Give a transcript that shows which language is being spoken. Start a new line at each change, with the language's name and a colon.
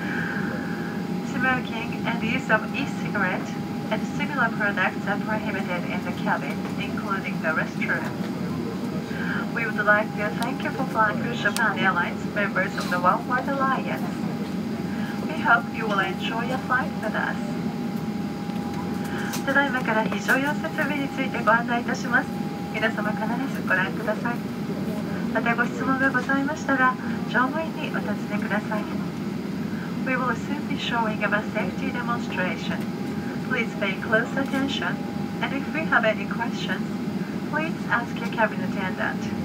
English: Smoking and use of e-cigarette and similar products are prohibited in the cabin, including the restroom. We would like to thank you for flying with Japan Airlines, members of the One World Alliance. We hope you will enjoy your flight with us.
Japanese: ただいまから非常用設備についてご案内いたします。皆様必ずご覧ください。またご質問がございましたら、乗務員にお尋ねください。
English: We will soon be showing our safety demonstration. Please pay close attention, and if we have any questions,Please ask your cabin attendant.